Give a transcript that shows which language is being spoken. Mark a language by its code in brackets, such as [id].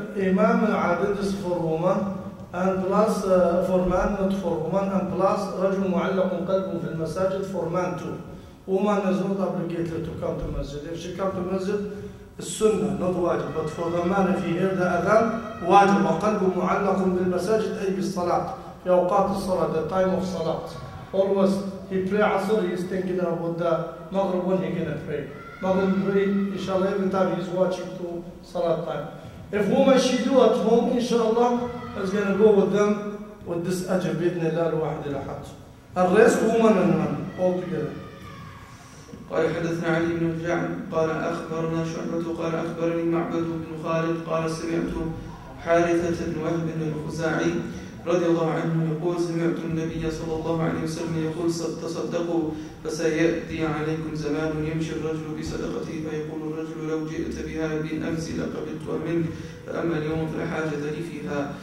[ar] إمام عبد الصفرومة [en] and plus for man not for woman and plus [ar] رجل معلق قلبه في المساجد [en] for man too. Woman is not obligated to come to masjid. If she come to masjid, السنة not واجب. But for the man if he hear the adhan, واجب. [ar] وقلبه معلق بالمساجد أي بالصلاة في أوقات الصلاة, [en] the time of [ar] صلاة. [en] Always he pray عصر, he is thinking about the maghrib when he gonna pray. Maghrib pray, inshallah every time he's watching to صلاة time. If woman she do at home, inshallah, is going to go with them with this ajr, [ar] بإذن الله الواحد الأحد. [en] And rest woman and man, all together. [ar] قال حدثنا علي بن الجعد قال أخبرنا شعبة قال أخبرني معبد بن خالد قال سمعت حارثة بن وهب بن الخزاعي رضي الله عنه يقول سمعت النبي صلى الله عليه وسلم يقول تصدقوا فسيأتي عليكم زمان يمشي الرجل بصدقته فيقول الرجل لو جئت بها بنفسي لقبضت منك فأما اليوم فلا حاجة لي فيها.